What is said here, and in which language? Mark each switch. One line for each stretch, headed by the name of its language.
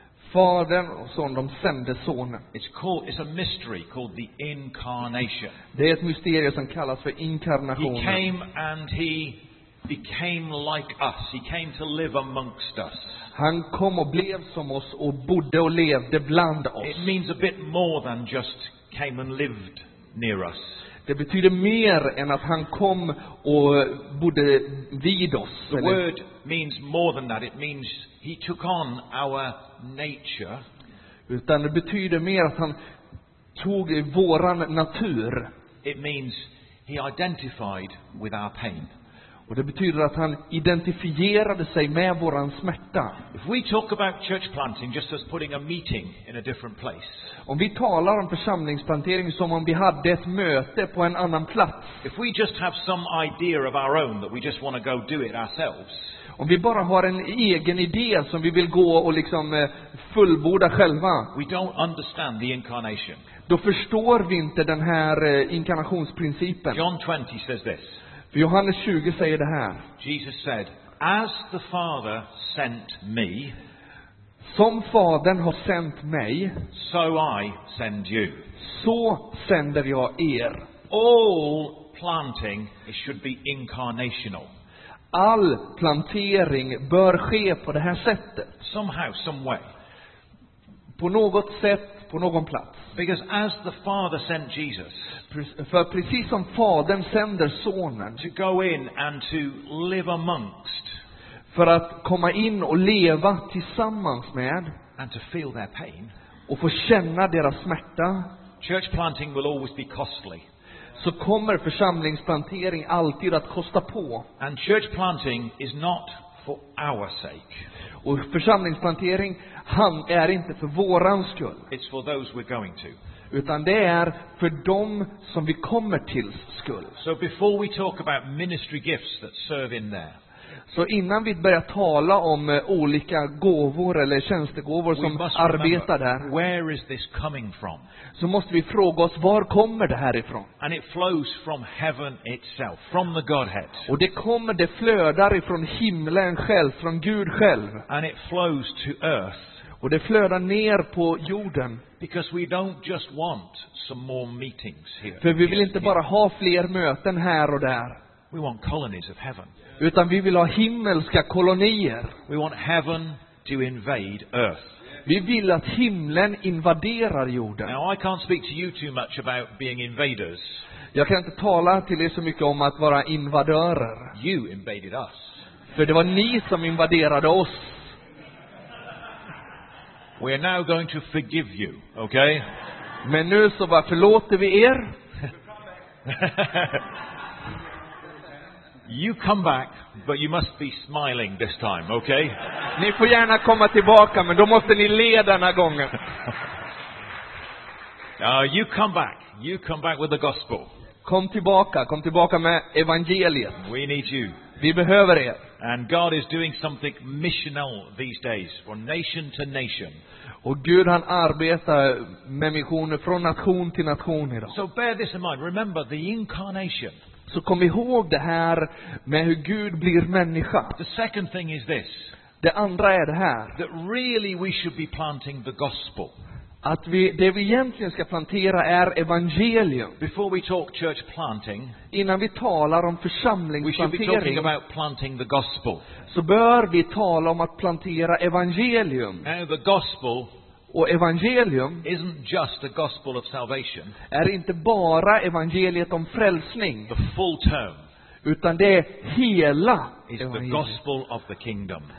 Swedish: Fadern och Son, de sände Sonen.
English: It's a mystery called the incarnation.
Swedish: Det är ett mysterium som kallas för inkarnation.
English: He came and he became like us. He came to live amongst us.
Swedish: Han kom och blev som oss och bodde och levde bland oss.
English: It means a bit more than just came and lived near us.
Swedish: Det betyder mer än att han kom och bodde vid oss.
English: The word means more than that. It means he took on our nature.
Swedish: Utan det betyder mer att han tog våran natur.
English: It means he identified with our pain.
Swedish: Och det betyder att han identifierade sig med våran smärta.
English: If we talk about church planting just as putting a meeting in a different place.
Swedish: Om vi talar om församlingsplantering som om vi hade ett möte på en annan plats.
English: If we just have some idea of our own that we just want to go do it ourselves.
Swedish: Om vi bara har en egen idé som vi vill gå och liksom fullborda själva.
English: We don't understand the incarnation.
Swedish: Då förstår vi inte den här inkarnationsprincipen.
English: John 20 says this.
Swedish: För Johannes 20 säger det här.
English: Jesus said, as the Father sent me,
Swedish: som Fadern har sänt mig,
English: so I send you.
Swedish: Så sänder jag er.
English: All planting should be incarnational.
Swedish: All plantering bör ske på det här sättet.
English: Somehow, some way.
Swedish: På något sätt, på någon plats.
English: Because as the Father sent Jesus,
Swedish: för precis som Fadern sänder sonen,
English: to go in and to live amongst,
Swedish: för att komma in och leva tillsammans med,
English: and to feel their pain,
Swedish: och få känna deras smärta,
English: church planting will always be costly.
Swedish: Så kommer församlingsplantering alltid att kosta på.
English: And church planting is not for our sake.
Swedish: Och församlingsplantering, han är inte för våran skull.
English: It's for those we're going to.
Swedish: Utan det är för dem som vi kommer till skull.
English: So before we talk about ministry gifts that serve in there.
Swedish: Så innan vi börjar tala om olika gåvor eller tjänstegåvor som arbetar där,
English: where is this coming from?
Swedish: Så måste vi fråga oss, var kommer det här ifrån?
English: And it flows from heaven itself, from the Godhead.
Swedish: Och det kommer, det flödar ifrån himlen själv, från Gud själv.
English: And it flows to earth.
Swedish: Och det flödar ner på jorden.
English: Because we don't just want some more meetings here.
Swedish: För vi vill inte bara ha fler möten här och där.
English: We want colonies of heaven.
Swedish: Utan vi vill ha himmelska kolonier.
English: We want heaven to invade earth.
Swedish: Vi vill att himlen invaderar jorden.
English: Now I can't speak to you too much about being invaders.
Swedish: Jag kan inte tala till er så mycket om att vara invadörer.
English: You invaded us.
Swedish: För det var ni som invaderade oss.
English: We are now going to forgive you, okay?
Swedish: Men nu så bara förlåter vi er.
English: You come back, but you must be smiling this time, okay?
Swedish: Ni får gärna komma tillbaka, men då måste ni le den här gången.
English: You come back. You come back with the gospel.
Swedish: Kom tillbaka med evangeliet.
English: We need you.
Swedish: Vi behöver er.
English: And God is doing something missional these days, from nation to nation.
Swedish: Och Gud, han arbetar med missioner från nation till nation idag.
English: So bear this in mind. Remember the incarnation.
Swedish: Så kom ihåg det här med hur Gud blir människa.
English: The second thing is this.
Swedish: Det andra är det här.
English: That really we should be planting the gospel.
Swedish: Att vi, det vi egentligen ska plantera är evangelium.
English: Before we talk church planting,
Swedish: innan vi talar om församlingsplantering,
English: we should be talking about planting the gospel.
Swedish: Så bör vi tala om att plantera evangelium.
English: And the gospel.
Swedish: Och evangelium
English: isn't just a gospel of salvation,
Swedish: är inte bara evangeliet om frälsning,
English: the full term,
Swedish: utan det hela
English: is the gospel of the kingdom,